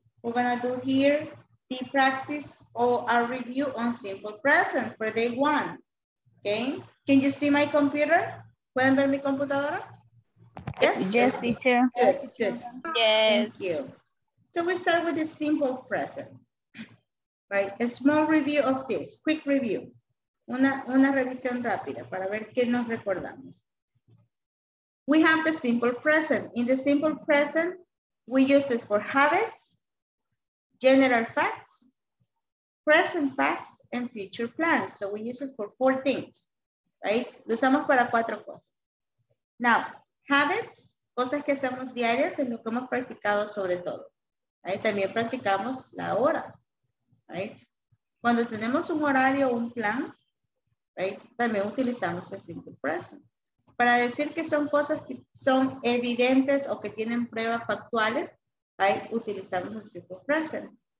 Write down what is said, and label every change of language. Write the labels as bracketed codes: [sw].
[en] We're gonna do here the practice or a review on simple present for day one. Okay. Can you see my computer? [es] ¿Pueden ver mi computadora? [en] Yes. Yes, teacher. Yes, teacher. Yes. Thank you. So we start with the simple present, right? A small review of this, quick review. [es] Una revisión rápida para ver qué nos recordamos. [en] We have the simple present. In the simple present, we use it for habits, general facts, present facts, and future plans. So we use it for four things, right? [es] Lo usamos para cuatro cosas. [en] Now, habits, [es] cosas que hacemos diarias en lo que hemos practicado sobre todo. Ahí también practicamos la hora, right? Cuando tenemos un horario o un plan, right? También utilizamos el simple present. Para decir que son cosas que son evidentes o que tienen pruebas factuales, ahí utilizamos el simple present.